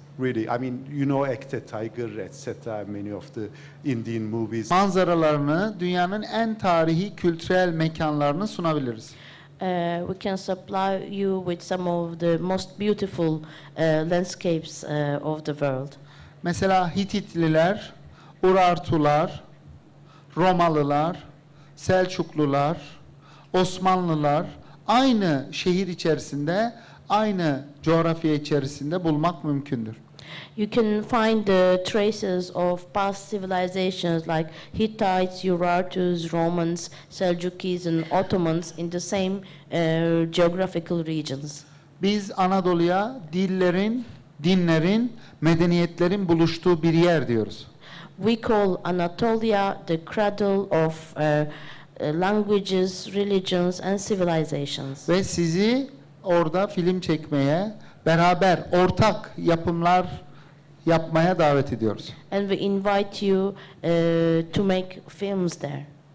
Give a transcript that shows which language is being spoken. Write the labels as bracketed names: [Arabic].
[English] Really, I mean, you know, Ekte Tiger, etc., many of the Indian movies. [Turkish] Manzaralarını dünyanın en tarihi kültürel mekanlarını sunabiliriz. [English] We can supply you with some of the most beautiful landscapes of the world. [Turkish] Mesela Hititliler, Urartular, Romalılar, Selçuklular, Osmanlılar aynı şehir içerisinde, aynı coğrafya içerisinde bulmak mümkündür. [English] You can find the traces of past civilizations like Hittites, Urartus, Romans, Seljukis and Ottomans in the same geographical regions. [Turkish] Biz Anadolu'ya dillerin, dinlerin, medeniyetlerin buluştuğu bir yer diyoruz. [English] We call Anatolia the cradle of languages, religions and civilizations. [Turkish] Ve sizi orada film çekmeye, beraber ortak yapımlar yapmaya davet ediyoruz. [English] And we invite you to make films there.